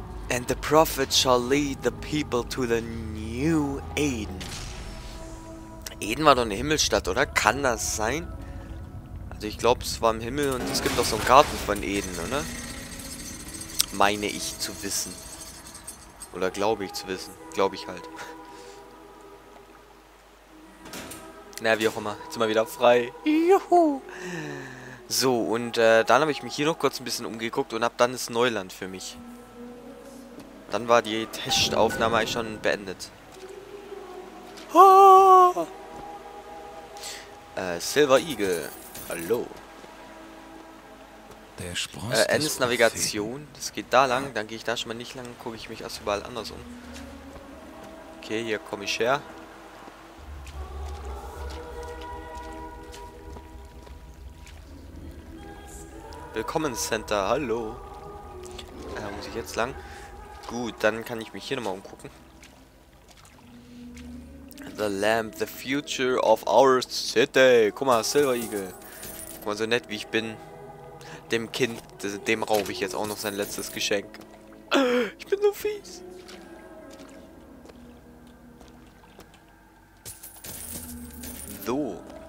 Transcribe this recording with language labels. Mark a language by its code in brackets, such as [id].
[en] And the prophet shall lead the people to the new Eden. [de] Eden war doch eine Himmelstadt, oder? Kann das sein? Also ich glaube, es war im Himmel und es gibt auch so einen Garten von Eden, oder? Meine ich zu wissen. Oder glaube ich zu wissen. Glaube ich halt. Na, wie auch immer. Jetzt sind wir wieder frei. Juhu. So, und dann habe ich mich hier noch kurz ein bisschen umgeguckt und habe dann das Neuland für mich. Dann war die Testaufnahme eigentlich schon beendet. Oh. Silver Eagle. Hallo. Der Spross Endes Navigation. Das geht da lang. Dann gehe ich da schon mal nicht lang. Gucke ich mich erst überall anders um. Okay, hier komme ich her. Willkommen, Center. Hallo. Muss ich jetzt lang? Gut, dann kann ich mich hier nochmal umgucken. [en] The Lamp, the future of our city. [de] Guck mal, Silver Eagle. Guck mal, so nett wie ich bin. Dem Kind, dem raube ich jetzt auch noch sein letztes Geschenk. Ich bin so fies. So.